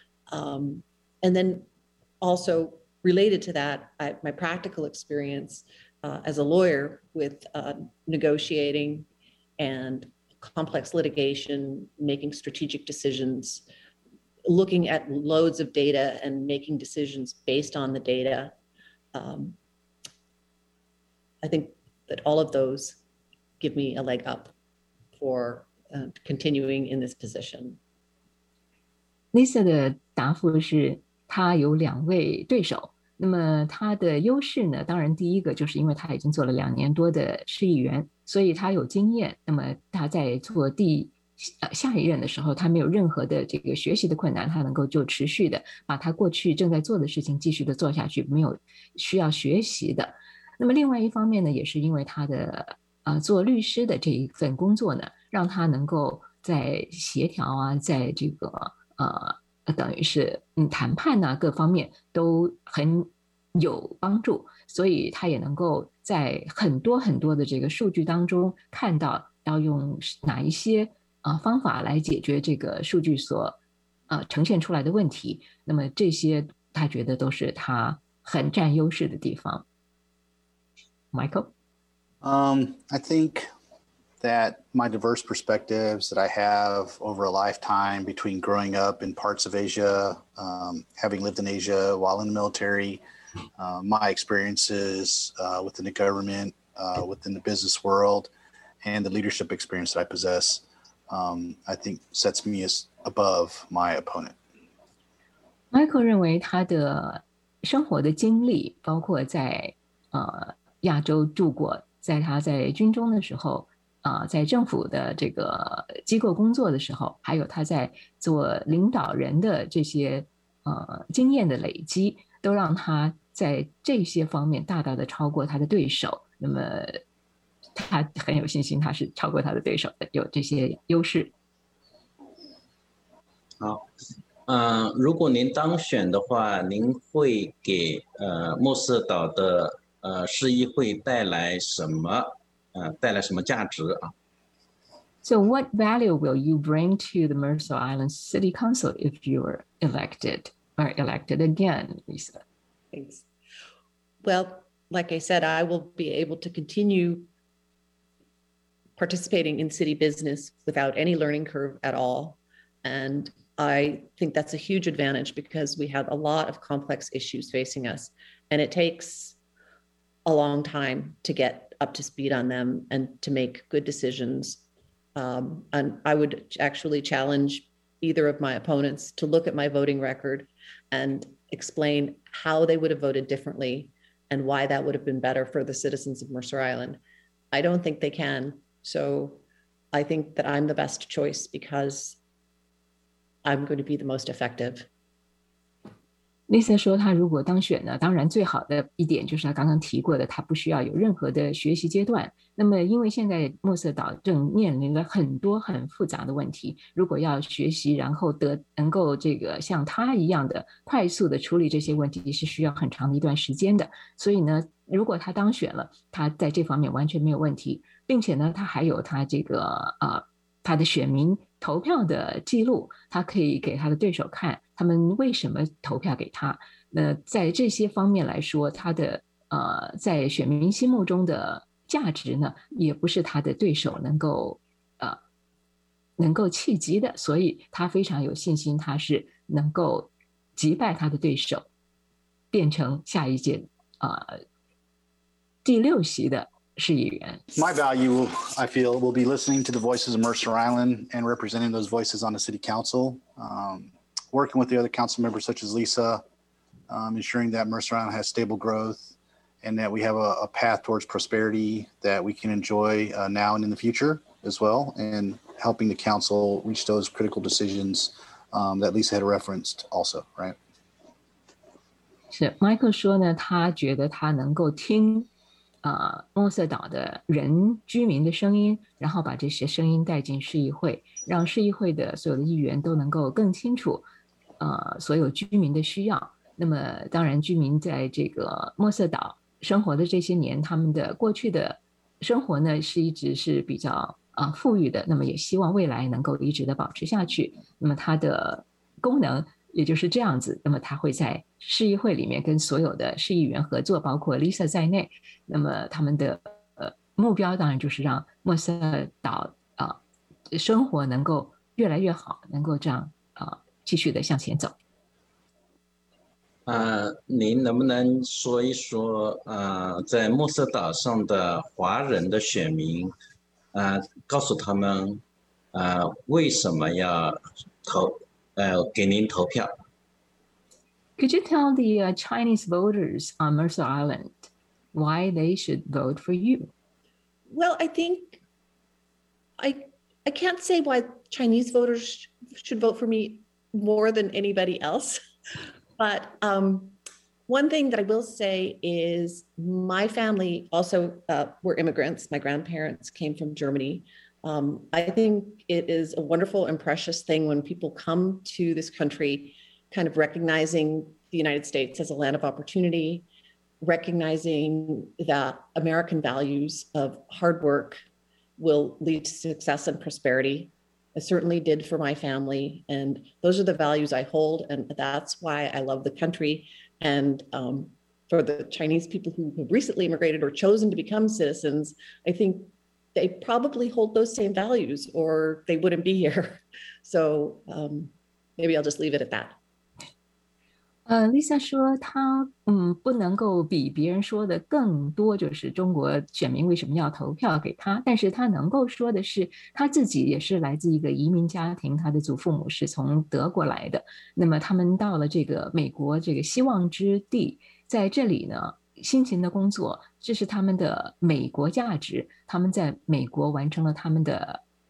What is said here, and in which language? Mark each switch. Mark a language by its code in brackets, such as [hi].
[en] And then also related to that, my practical experience as a lawyer with negotiating and complex litigation, making strategic decisions,looking at loads of data and making decisions based on the data. I think that all of those give me a leg up for continuing in this position. [zh] Lisa 的答复是她有两位对手，那么她的优势呢，当然第一个就是因为她已经做了两年多的市议员，所以她有经验，那么她在做地下一任的时候，他没有任何的这个学习的困难，他能够就持续的把他过去正在做的事情继续的做下去，没有需要学习的。那么另外一方面呢，也是因为他的做律师的这一份工作呢，让他能够在协调啊，在这个等于是谈判啊各方面都很有帮助，所以他也能够在很多很多的这个数据当中看到要用哪一些方法来解决这个数据所呈现出来的问题，那么这些他觉得都是他很占优势的地方。 [en] Michael? I think that my diverse perspectives that I have over a lifetime between growing up in parts of Asia, having lived in Asia while in the military, my experiences within the government, within the business world, and the leadership experience that I possessI think sets me as above my opponent. [zh] Michael 认为他的生活的经历，包括在亚洲住过，在他在军中的时候，在政府的这个机构工作的时候，还有他在做领导人的这些经验的累积，都让他在这些方面大大的超过他的对手。那么他很有信心他是超过他的对手的，有这些优势。好，如果您当选的话，您会给莫斯岛的市议会带来什么带来什么价值啊？ [en] So what value will you bring to the Mercer Island City Council if you are elected or elected again, Lisa? Thanks. Well, like I said, I will be able to continueparticipating in city business without any learning curve at all. And I think that's a huge advantage because we have a lot of complex issues facing us and it takes a long time to get up to speed on them and to make good decisions. And I would actually challenge either of my opponents to look at my voting record and explain how they would have voted differently and why that would have been better for the citizens of Mercer Island. I don't think they can. So I think that I'm the best choice because I'm going to be the most effective. [zh] Lisa 说他如果当选呢，当然最好的一点就是他刚刚提过的，他不需要有任何的学习阶段。那么因为现在莫瑟岛正面临了很多很复杂的问题，如果要学习然后能够这个像他一样的快速的处理这些问题，是需要很长的一段时间的。所以呢，如果他当选了，他在这方面完全没有问题，并且呢，他还有他这个他的选民投票的记录，他可以给他的对手看他们为什么投票给他。那在这些方面来说，他的在选民心目中的价值呢，也不是他的对手能够企及的，所以他非常有信心他是能够击败他的对手，变成下一届第六席的市议员。 [en] My value, I feel, will be listening to the voices of Mercer Island and representing those voices on the city council, working with the other council members such as Lisa, ensuring that Mercer Island has stable growth and that we have a path towards prosperity that we can enjoy now and in the future as well, and helping the council reach those critical decisions that Lisa had referenced also, right? [zh] 是 Michael 说呢，他觉得他能够听莫瑟岛的人居民的声音，然后把这些声音带进市议会，让市议会的所有的议员都能够更清楚所有居民的需要。那么当然居民在这个莫瑟岛生活的这些年，他们的过去的生活呢是一直是比较富裕的，那么也希望未来能够一直的保持下去。那么它的功能也就是这样子，那么他会在市议会里面跟所有的市议员合作，包括 Lisa 在内。那么他们的目标当然就是让莫瑟岛生活能够越来越好，能够这样继续的向前走。您能不能说一说在莫瑟岛上的华人的选民告诉他们为什么要投给您投票。 [en] Could you tell the Chinese voters on Mercer Island why they should vote for you? Well, I think I can't say why Chinese voters should vote for me more than anybody else. But one thing that I will say is my family also were immigrants. My grandparents came from Germany. I think it is a wonderful and precious thing when people come to this country, kind of recognizing the United States as a land of opportunity, recognizing that American values of hard work will lead to success and prosperity. It certainly did for my family. And those are the values I hold. And that's why I love the country. And for the Chinese people who have recently immigrated or chosen to become citizens, I think they probably hold those same values or they wouldn't be here. So maybe I'll just leave it at that. [zh] Lisa 说她不能够比别人说的更多，就是中国选民为什么要投票给她，但是她能够说的是她自己也是来自一个移民家庭，她的祖父母是从德国来的，那么他们到了这个美国这个希望之地，在这里呢辛勤的工作，这是他们的美国价值，他们在美国完成了他们的